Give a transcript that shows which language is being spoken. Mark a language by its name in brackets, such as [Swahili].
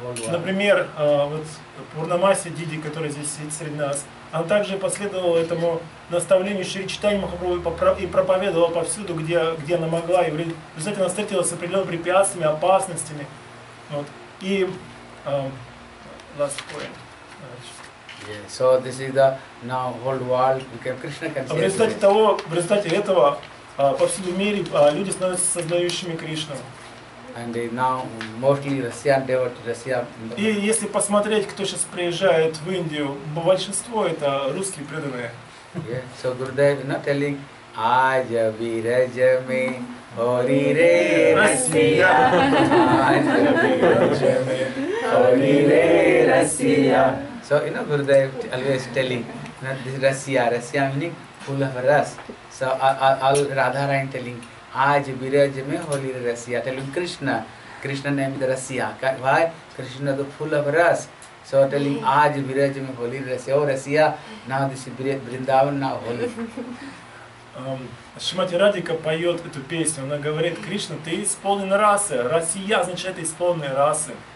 [Russian] Например, вот Пурнамаси Диди, которая здесь сидит среди нас, она также последовала этому наставлению Шри Чайтанья Махапрабху и проповедовала повсюду, где она могла. И в результате она встретилась с определенными препятствиями, опасностями. Вот. И [English] last point. Yeah, so this is the now whole world became Krishna consciousness. [Russian] В результате этого повсюду в мире люди становятся сознающими Кришну. [English] And now mostly Russian devotees, Russian. [Russian] И если посмотреть, кто сейчас приезжает в Индию, большинство это русские преданные. [English] Yeah, so Gurudev is not telling, [Hindi] Aaj viraj mein hori re Russia, Aaj viraj mein hori re Russia. [English] So you know Gurudev always telling, not this Russia, Russia meaning full of Rus. So all Radharani telling. [Hindi] Aaj viraj mein holi re rasiya, [English] telling Krishna, Krishna name the rasiya. Why? Krishna the full of ras. So telling [Hindi] aaj viraj mein holi re rasiya. [English] Oh rasiya, now this is Vrindavan, now holy. [Russian] Шримати Радика поет эту песню, она говорит, Кришна, ты исполнен расы. Россия означает исполненные расы.